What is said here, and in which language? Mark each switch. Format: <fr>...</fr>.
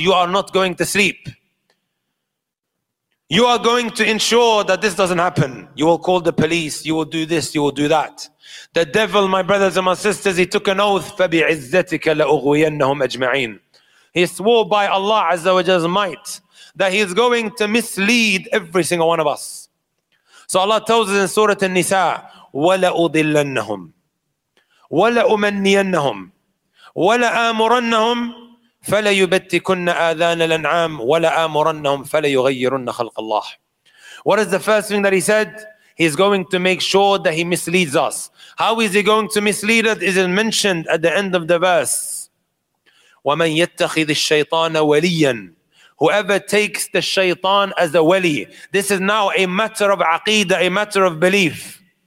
<en>You are not going to sleep. You are going to ensure that this doesn't happen. You will call the police. You will do this. You will do that. The devil, my brothers and my sisters, he took an oath.</en> <ar>فَبِعِزَّتِكَ لَأُغْوِيَنَّهُمْ أَجْمَعِينَ.</ar> <en>He swore by Allah Azza wa Jalla's might that he is going to mislead every single one of us. So Allah tells us in Surah An-Nisa,</en> <ar>وَلَأُضِلَّنَّهُمْ وَلَأُمَنِّيَنَّهُمْ وَلَأَمُرَنَّهُمْ فَلَيُبَتِّكُنَّ آذَانَ الْأَنْعَامِ وَلَأَمُرَنَّهُمْ فَلَيُغَيِّرُنَّ خَلْقَ اللَّهِ.</ar> <en>What is the first thing that he said? He is going to make sure that he misleads us. How is he going to mislead us? It is mentioned at the end of the verse.</en> <ar>وَمَنْ يَتَّخِذِ الشَّيْطَانَ وَلِيًّا.</ar> <en>Whoever takes the shaytan as a wali. This is now a matter of aqeedah, a matter of belief.</en>